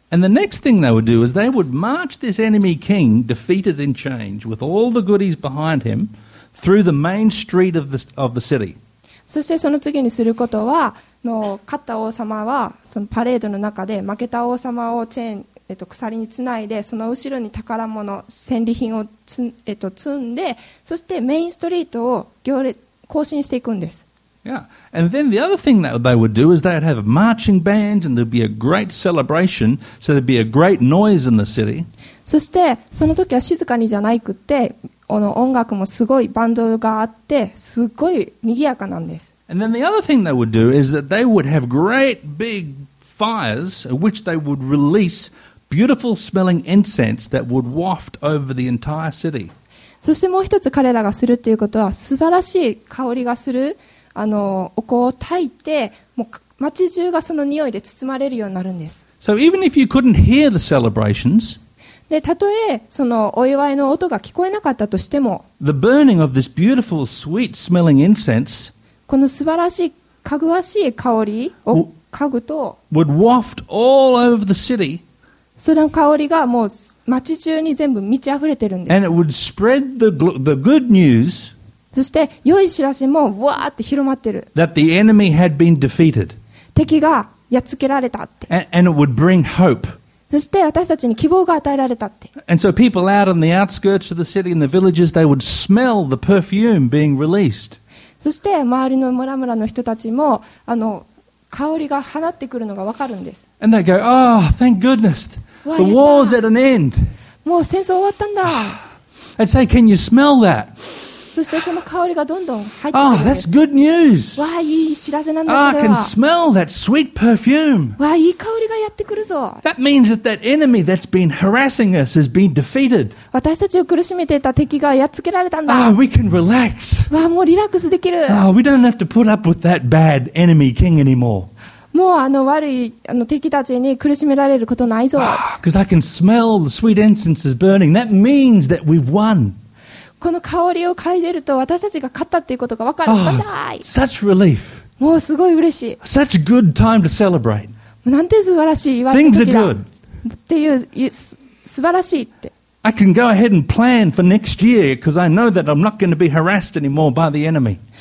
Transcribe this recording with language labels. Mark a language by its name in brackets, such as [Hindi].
[English] And the next thing they would do is they would march this enemy king defeated in chains with all the goodies behind him through the main street of the city. [Japanese] そしてその次にすることは、勝った王様はそのパレードの中で負けた王様をチェーン、鎖につないでその後ろに宝物、戦利品を積んで、そしてメインストリートを行列、行進していくんです。 [English] Yeah, and then the other thing that they would do is they'd have marching bands and there'd be a great celebration, so there'd be a great noise in the city. [Japanese] そしてその時は静かにじゃないくって、この音楽もすごいバンドがあって、すごい賑やかなんです。 [English] And then the other thing they would do is that they would have great big fires, which they would release beautiful smelling incense that would waft over the entire city. [Japanese] そしてもう一つ彼らがするっていうことは、素晴らしい香りがする。お香を焚いて、もう町中がその匂いで包まれるようになるんです。 [English] So even if you couldn't hear the celebrations, [Japanese] で、たとえそのお祝いの音が聞こえなかったとしても、 [English] the burning of this beautiful, sweet smelling incense, [Japanese] この素晴らしい、かぐわしい香りを嗅ぐと、 [English] would waft all over the city, [Japanese] その香りがもう町中に全部満ち溢れてるんです。 [English] And it would spread the good news. [Japanese] そして良い知らせもわーって広まってる。 [English] That the enemy had been defeated. [Japanese] 敵がやっつけられたって。 [English] And it would bring hope. [Japanese] そして私たちに希望が与えられたって。 [English] And so people out on the outskirts of the city and the villages, they would smell the perfume being released. [Japanese] そして周りの村々の人たちも香りが放ってくるのがわかるんです。 [English] And they go, oh, thank goodness, the war's at an end. [Japanese] もう戦争終わったんだ。 [English] I'd say, can you smell that? [Japanese] そしてその香りがどんどん入ってくるんです [English] 。 Oh, that's good news. [Japanese] わあ、いい知らせなんだこれは。 [English] Oh, I can smell that sweet perfume. [Japanese] わあ、いい香りがやってくるぞ。 [English] That means that that enemy that's been harassing us has been defeated. [Japanese] 私たちを苦しめていた敵がやっつけられたんだ。 [English] Oh, we can relax. [Japanese] わあ、もうリラックスできる。 [English] Oh, we don't have to put up with that bad enemy king anymore. [Japanese] もう悪い敵たちに苦しめられることないぞ。 [English] Because I can smell the sweet incense is burning. That means that we've won. [Japanese] この香りを嗅いでると私たちが勝ったっていうことが分かる。 [English] Oh, such relief. [Japanese] もうすごい嬉しい。 [English] Such good time to celebrate. [Japanese] なんて素晴らしい祝いの時だ。 [English] Things are good. [Japanese] っていう素晴らしいって。 [English] I can go ahead and plan for next year because I know that I'm not going to be harassed anymore by the enemy.